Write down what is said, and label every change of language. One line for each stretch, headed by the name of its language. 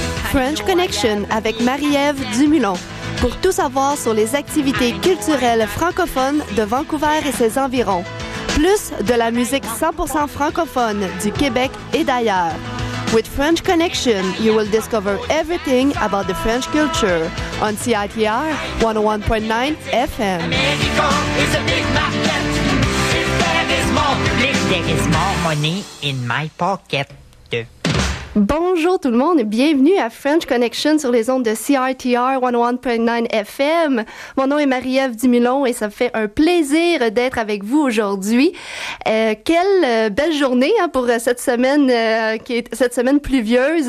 French: French Connection avec Marie-Ève Dumoulin pour tout savoir sur les activités culturelles francophones de Vancouver et ses environs, plus de la musique 100% francophone du Québec et d'ailleurs.
English: With French Connection, you will discover everything about the French culture on CITR 101.9 FM.
French: Bonjour tout le monde et bienvenue à French Connection sur les ondes de CITR 101.9 FM. Mon nom est Marie-Ève Dumoulin et ça me fait un plaisir d'être avec vous aujourd'hui. Quelle belle journée hein, pour cette semaine qui est cette semaine pluvieuse.